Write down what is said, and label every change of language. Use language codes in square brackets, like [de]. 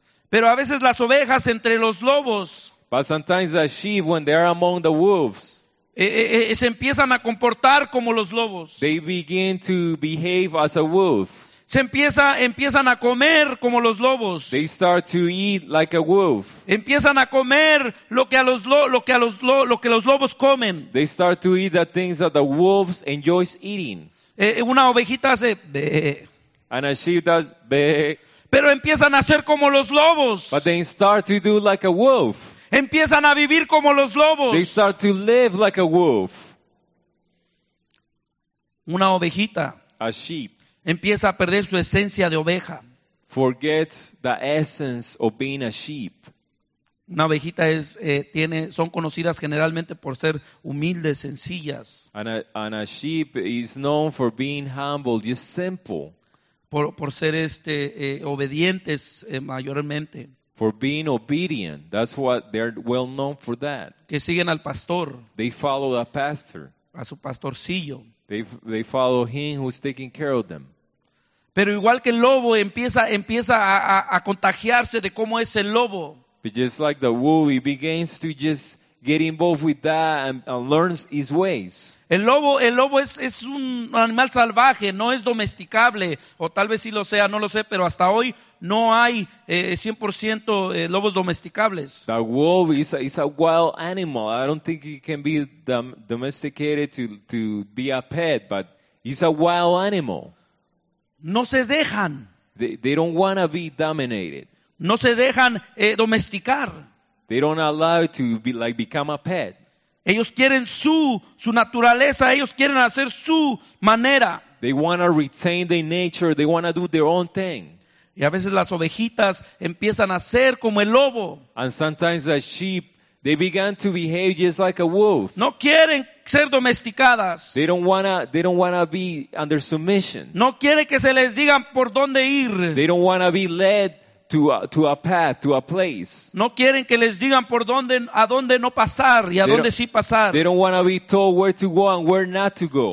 [es] Pero a veces las ovejas entre los lobos. [en] But sometimes the sheep, when they are among the wolves, [es] Se empiezan a comportar como los lobos. [en] They begin to behave as a wolf. [es] Empiezan a comer como los lobos. [en] They start to eat like a wolf. [es] Empiezan a comer lo que los lobos comen. [en] They start to eat the things that the wolves enjoy eating. [es] Una ovejita hace be. [en] And a sheep does be. [es] Pero empiezan a hacer como los lobos. [en] But they start to do like a wolf. [es] Empiezan a vivir como los lobos. [en] They start to live like a wolf. [es] Una ovejita. [en] A sheep. [es] Empieza a perder su esencia de oveja. [en] Forgets the essence of being a sheep. [es] Una ovejita son conocidas generalmente por ser humildes, sencillas. [en] And a sheep is known for being humble, just simple. [es] Por ser obedientes mayormente. [en] For being obedient, that's what they're well known for. That [es] que siguen al pastor, [en] they follow the pastor, [es] a su pastorcillo. [en] They follow him who's taking care of them. [es] Pero igual que el lobo empieza a contagiarse de cómo es el lobo. [en] But just like the wolf, he begins to just get involved with that and learns his ways. [es] El lobo es un animal salvaje, no es domesticable, o tal vez sí lo sea, no lo sé, pero hasta hoy no hay 100% lobos domesticables. [en] The wolf is a wild animal. I don't think it can be domesticated to be a pet, but it's a wild animal. [es] No se dejan. [en] They don't want to be dominated. [es] No se dejan domesticar. [en] They don't allow it to be like become a pet. [es] Ellos quieren su naturaleza. Ellos quieren hacer su manera. [en] They want to retain their nature. They want to do their own thing. [es] Y a veces las ovejitas empiezan a ser como el lobo. [en] And sometimes the sheep, they began to behave just like a wolf. [es] No quieren ser domesticadas. [en] They don't wanna be under submission. [es] No quieren que se les digan por dónde ir. [en] They don't wanna be led to a path, to a place. [es] No quieren que les digan por dónde, a dónde no pasar y a dónde sí pasar. [en] They don't want to be told where to go and where not to go.